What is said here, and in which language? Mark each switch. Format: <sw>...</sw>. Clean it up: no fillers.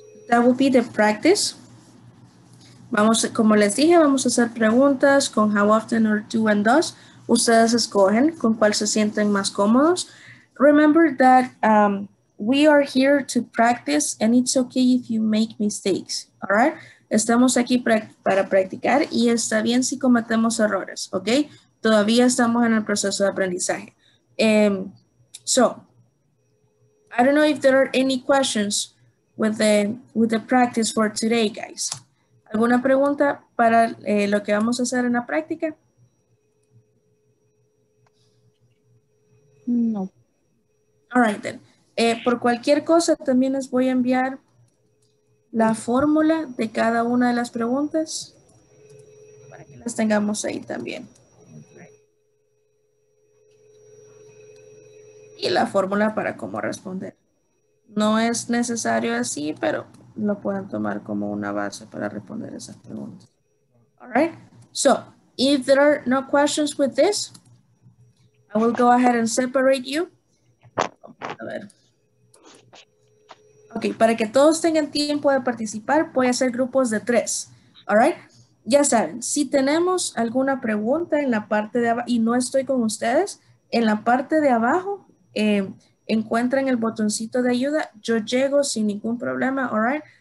<en>That will be the practice.</en> <es>Vamos, como les dije, vamos a hacer preguntas con how often or do and does. Ustedes escogen con cuál se sienten más cómodos.</es> <en>Remember that we are here to practice and it's okay if you make mistakes. All right?</en> <es>Estamos aquí para practicar y está bien si cometemos errores.</es> <en>Okay?</en> <es>Todavía estamos en el proceso de aprendizaje.</es> <en>So, I don't know if there are any questions with the practice for today, guys.</en> <es>¿Alguna pregunta para lo que vamos a hacer en la práctica? No.</es> <en>All right, then.</en> <es>Por cualquier cosa, también les voy a enviar la fórmula de cada una de las preguntas para que las tengamos ahí también. Right. Y la fórmula para cómo responder. No es necesario así, pero lo pueden tomar como una base para responder esas preguntas.</es> <en>All right. So, if there are no questions with this, I will go ahead and separate you.</en> <es>A ver. Okay, para que todos tengan tiempo de participar, voy a hacer grupos de tres.</es> <en>All right.</en> <es>Ya saben, si tenemos alguna pregunta en la parte de abajo, y no estoy con ustedes, en la parte de abajo, encuentran el botoncito de ayuda, yo llego sin ningún problema,</es> <en>all right?</en>